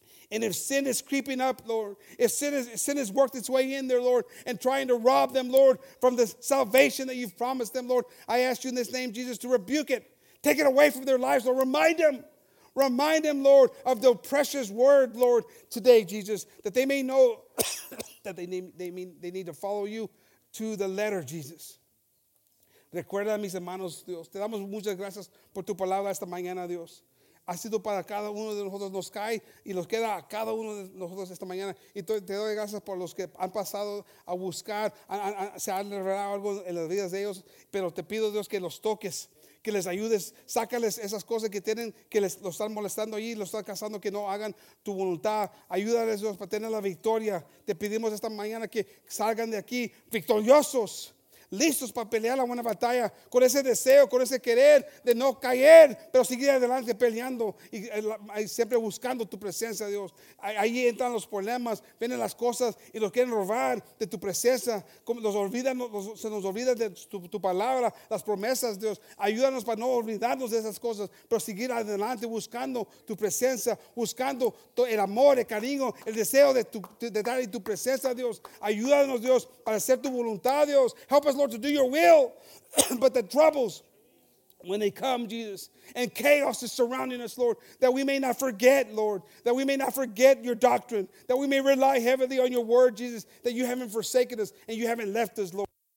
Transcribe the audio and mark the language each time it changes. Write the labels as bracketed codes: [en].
[en] And if sin is creeping up, Lord, if sin has worked its way in there, Lord, and trying to rob them, Lord, from the salvation that you've promised them, Lord, I ask you in this name, Jesus, to rebuke it. Take it away from their lives, Lord. Remind them, Lord, of the precious word, Lord, today, Jesus, that they may know that they need to follow you to the letter, Jesus. [es] Recuerda, mis hermanos, Dios, te damos muchas gracias por tu palabra esta mañana, Dios. Ha sido para cada uno de nosotros, nos cae y nos queda a cada uno de nosotros esta mañana. Y te doy gracias por los que han pasado a buscar, se han revelado algo en las vidas de ellos, pero te pido, Dios, que los toques, que les ayudes, sácales esas cosas que tienen, que los están molestando allí, los están cazando, que no hagan tu voluntad. Ayúdales, Dios, para tener la victoria. Te pedimos esta mañana que salgan de aquí victoriosos, listos para pelear la buena batalla, con ese deseo, con ese querer de no caer, pero seguir adelante peleando y siempre buscando tu presencia, Dios. Ahí entran los problemas, vienen las cosas y los quieren robar de tu presencia. Se nos olvida de tu palabra, las promesas, Dios. Ayúdanos para no olvidarnos de esas cosas, pero seguir adelante buscando tu presencia, buscando el amor, el cariño, el deseo de dar tu presencia, Dios. Ayúdanos, Dios, para hacer tu voluntad, Dios. [en] Help us, Lord, to do your will, but the troubles when they come, Jesus, and chaos is surrounding us, Lord, that we may not forget, Lord, that we may not forget your doctrine, that we may rely heavily on your word, Jesus, that you haven't forsaken us and you haven't left us, Lord.